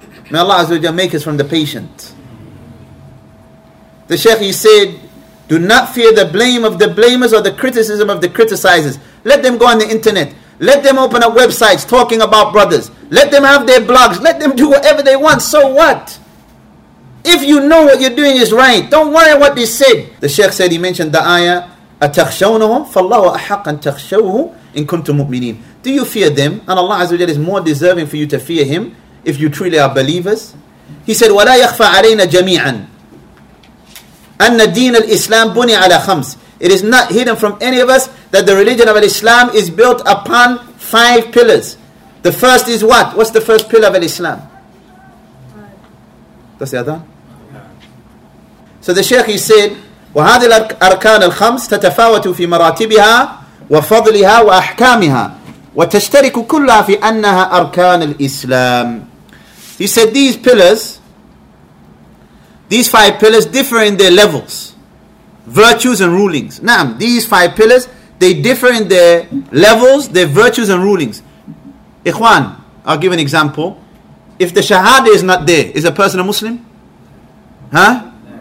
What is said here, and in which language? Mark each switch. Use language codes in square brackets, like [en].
[en] May Allah Azza wa Jalla make us from the patient. The Shaykh, he said, do not fear the blame of the blamers or the criticism of the criticizers. Let them go on the internet. Let them open up websites talking about brothers. Let them have their blogs. Let them do whatever they want. So what? If you know what you're doing is right, don't worry what they said. The Shaykh said, he mentioned the ayah, [ar] أَتَخْشَوْنَهُمْ فَاللَّهُ أَحَقَّ أَن تَخْشَوْهُ إِن كُنْتُمْ مُؤْمِنِينَ. [en] Do you fear them? And Allah Azza wa Jalla is more deserving for you to fear Him if you truly are believers. He said, [ar] وَلَا يَخْفَى عَلَيْنَا جَمِيعًا أَنَّ دِينَ الْإِسْلَامِ بُنِي عَلَى خَمْسِ. [en] It is not hidden from any of us that the religion of Islam is built upon five pillars. The first is what? What's the first pillar of Islam? That's the other. So the Shaykh, he said, [ar] وهذه الأركان الخمس تتفاوت في مراتبها وفضلها وأحكامها وتشترك كلها في أنها أركان الإسلام. [en] He said these pillars, these five pillars differ in their levels, virtues and rulings. Naam, these five pillars, they differ in their levels, their virtues and rulings. Ikhwan, I'll give an example. If the Shahada is not there, is a person a Muslim? Huh?